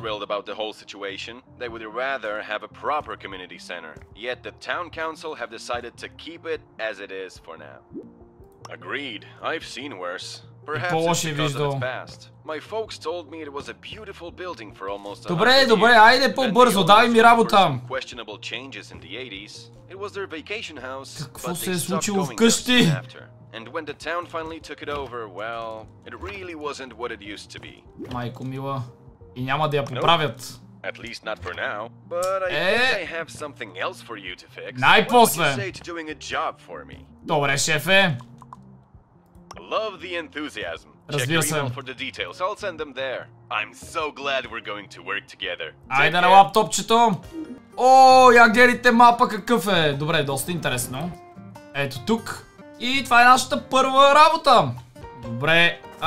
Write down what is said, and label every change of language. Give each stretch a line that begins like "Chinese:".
English: thrilled about the whole situation. They would rather have a proper community center. Yet the town council have decided to keep it as it is for now. Agreed. I've seen worse. Perhaps it's because of its past. My folks told me it was a beautiful building for almost a hundred years.
Bulgarian: Добре, айде по-бързо, дай ми работа.
English: Questionable changes in the 80s. It was their vacation house, but they stopped going there after. And when the town finally took it over, well, it really wasn't what it used to be.
Bulgarian: Майко мила, и няма да я поправят.
English: At least not for now, but I think I have something else for you to fix.
Bulgarian: Най-после.
English: What would you say to doing a job for me?
Bulgarian: Добре, шефе.
English: Love the enthusiasm.
Bulgarian: Разбира
English: Check your email for the details. I'll send them there. I'm so glad we're going to work together.
Bulgarian: Айде на лаптопчето. О, я гледайте мапа какъв е. Добре, доста интересно. Ето тук. И това е нашата първа работа. Добре.